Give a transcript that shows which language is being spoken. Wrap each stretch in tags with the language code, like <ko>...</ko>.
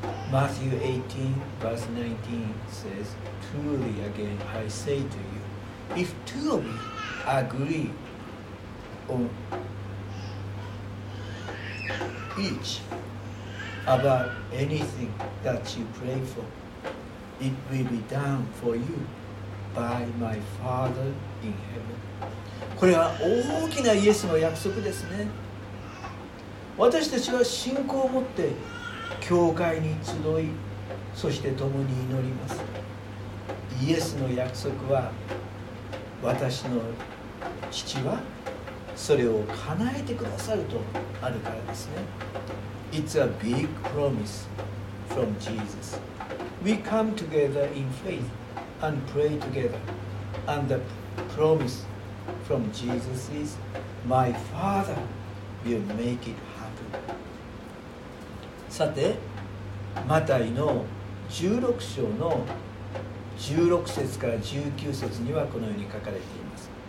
<en>Matthew 18 verse 19 says, Truly again I say to you, If two of you agree on each about anything that you pray forIt will be done for you by my Father in heaven.</en> <ja>これは大きなイエスの約束ですね。私たちは信仰を持って教会に集い、そして共に祈ります。イエスの約束は、私の父はそれを叶えてくださるとあるからですね。</ja> <en>It's a big promise from JesusWe come together in faith and pray together. And the promise from Jesus is, My Father will make it happen.</en> <ja>さて、マタイの16章の16節から19節にはこのように書かれています。</ja>